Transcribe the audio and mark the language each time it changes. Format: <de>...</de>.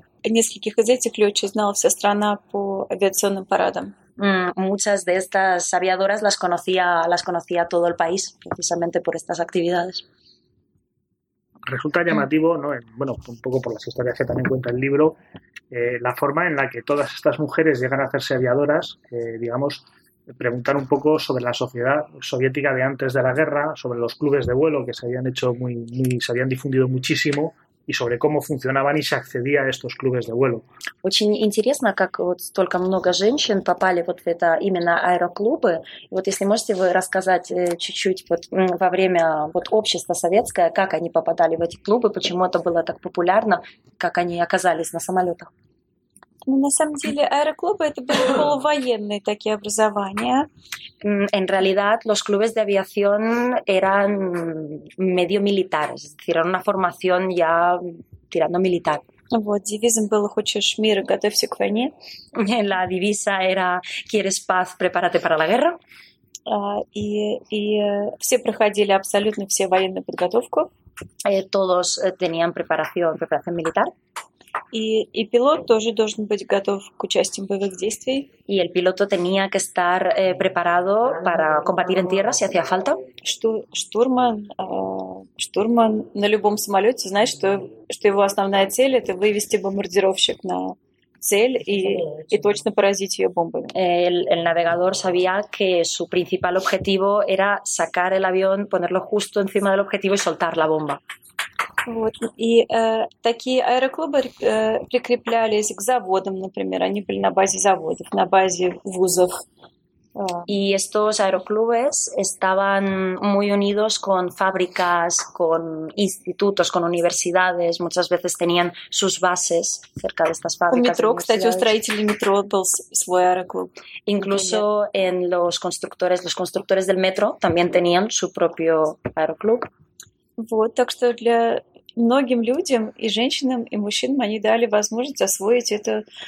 <ru>Нескольких из этих летчиц знала вся страна по авиационным парадам.</ru> <es>Muchas de estas aviadoras las conocía todo el país precisamente por estas actividades. Resulta llamativo, ¿no? Bueno, un poco por las historias que también cuenta el libro, la forma en la que todas estas mujeres llegan a hacerse aviadoras, digamos, preguntar un poco sobre la sociedad soviética de antes de la guerra, sobre los clubes de vuelo que se habían hecho se habían difundido muchísimo. И sobre cómo funcionaban y se accedía a estos clubes de vuelo.</es> <ru>Очень интересно, как вот столько много женщин попали вот в это именно аэроклубы. И вот если можете вы рассказать чуть-чуть вот во время вот общества советское, как они попадали в эти клубы, почему это было так популярно, как они оказались на самолетах? Ну, на самом деле аэроклубы это были полувоенные такие образования.</ru> <es>En realidad, los clubes de aviación eran medio militares, es decir, era una formación ya tirando militar.</es> <ru>Вот, девизом было «Хочешь мир, готовься к войне».</ru> <es>La divisa era «Quieres paz, prepárate para la guerra».</es> <ru>И все проходили абсолютно все военную подготовку.</ru> <es>Todos tenían preparación militar.</es> <ru>И пилот тоже должен быть готов к участию в боевых действиях.</ru> <es>Y el piloto tenía que estar preparado para combatir en tierra si hacía falta.</es> <ru>Штурман на любом самолете знает, что его основная цель — это вывести бомбардировщик на цель и точно поразить ее бомбами.</ru> <es>El navegador sabía que su principal objetivo era sacar el avión, ponerlo justo encima del objetivo y soltar la bomba.</es> <ru>Вот. И такие аэроклубы прикреплялись к заводам, например, они были на базе заводов, на базе вузов.</ru> <es>Y estos aeroclubes estaban muy unidos con fábricas, con institutos, con universidades. Muchas veces tenían sus bases cerca de estas fábricas.</es> <ru>У метро, кстати, у строителей метро был свой аэроклуб.</ru> <es>Incluso en los constructores del metro también tenían su propio aeroclub.</es> <ru>Вот, так что для многим людям, и женщинам, и мужчинам, они дали возможность освоить это...</ru>